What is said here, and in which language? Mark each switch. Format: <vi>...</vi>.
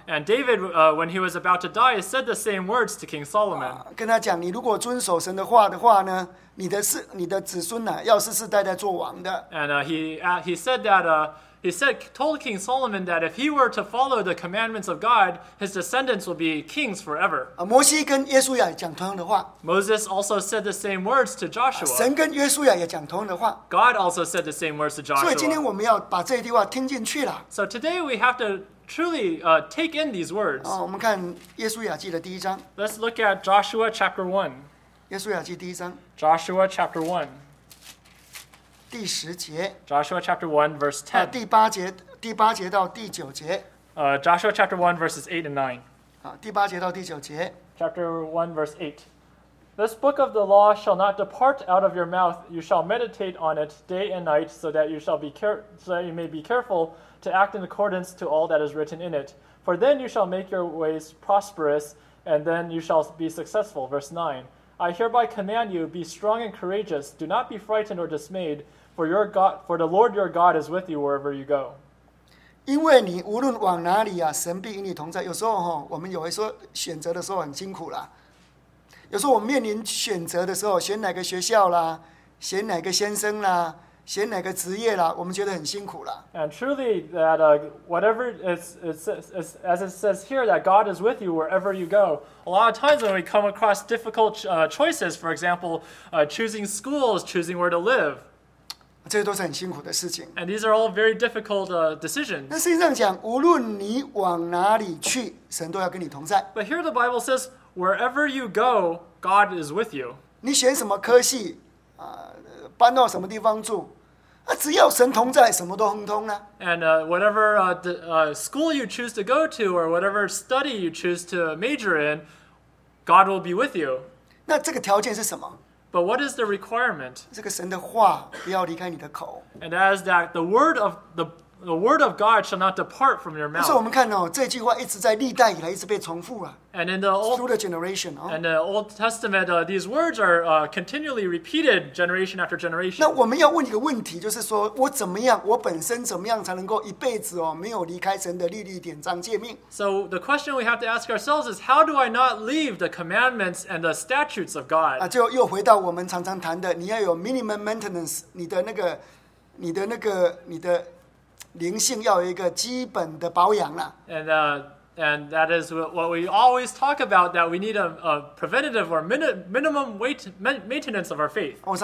<en>And David, when he was about to die, said the same words to King Solomon.</en> <zh>跟他讲，你如果遵守神的话的话呢，你的子孙呢，要世世代代做王的。</zh> <en>And he told King Solomon that if he were to follow the commandments of God, his descendants will be kings forever.</en> <zh>摩西跟耶稣亚讲同样的话。</zh> <en>Moses also said the same words to Joshua.</en> <zh>神跟耶稣亚也讲同样的话。</zh> <en>God also said the same words to Joshua.</en> <zh>所以今天我们要把这句话听进去了。</zh> <en>So today we have to truly take in these words.</en> <zh>我们看耶稣亚记的第一章。</zh> <en>Let's look at Joshua chapter 1.</en> <zh>耶稣亚记第一章。</zh> <en>Joshua chapter 1.</en> <zh>第十节</zh> <en>Joshua chapter 1 verse 10</en> <zh>第八节到第九节</zh> <en>Joshua chapter 1 verses 8 and 9</en> <zh>第八节到第九节</zh> <en>Chapter 1 verse 8 This book of the law shall not depart out of your mouth. You shall meditate on it day and night so that you shall be so that you may be careful to act in accordance to all that is written in it. For then you shall make your ways prosperous and then you shall be successful. Verse 9I hereby command you, be strong and courageous. Do not be frightened or dismayed, for the Lord your God is with you wherever you go.</en> <zh>因为你无论往哪里神必与你同在。有时候我们有时候选择的时候很辛苦啦。有时候我们面临选择的时候，选哪个学校啦，选哪个先生啦，选哪个职业啦，我们觉得很辛苦啦。</zh> <en>And truly, that whatever it's as it says here, that God is with you wherever you go. A lot of times when we come across difficult choices, for example, choosing schools, choosing where to live,</en> <zh>这些都是很辛苦的事情。</zh> <en>And these are all very difficult decisions.</en> <zh>那实际上讲，无论你往哪里去，神都要跟你同在。</zh> <en>But here the Bible says, wherever you go, God is with you.</en> <zh>你选什么科系搬到什么地方住？只要神同在，什么都亨通呢。</zh> <en>And whatever school you choose to go to, or whatever study you choose to major in, God will be with you.</en> <zh>那这个条件是什么</zh> <en>？But what is the requirement?</en> <zh>这个神的话不要离开你的口。</zh> <en>And as that, the word of the The word of God shall not depart from your mouth.</en> <zh>但是我们看哦，这句话一直在历代以来一直被重复啊。</zh> <en>And in the old, through the generation, and the Old Testament, these words are continually repeated generation after generation.</en> <zh>那我们要问一个问题，就是说我怎么样，我本身怎么样才能够一辈子哦，没有离开神的律例、典章、诫命？</zh> <en>So the question we have to ask ourselves is, how do I not leave the commandments and the statutes of God?</en> <zh>就又回到我们常常谈的，你要有</zh> <en>minimum maintenance，</en> <zh>你的灵性要有一个基本的保养了。</zh> <en>And that is what we always talk about, that we need a preventative or minimum weight maintenance of our faith.</en>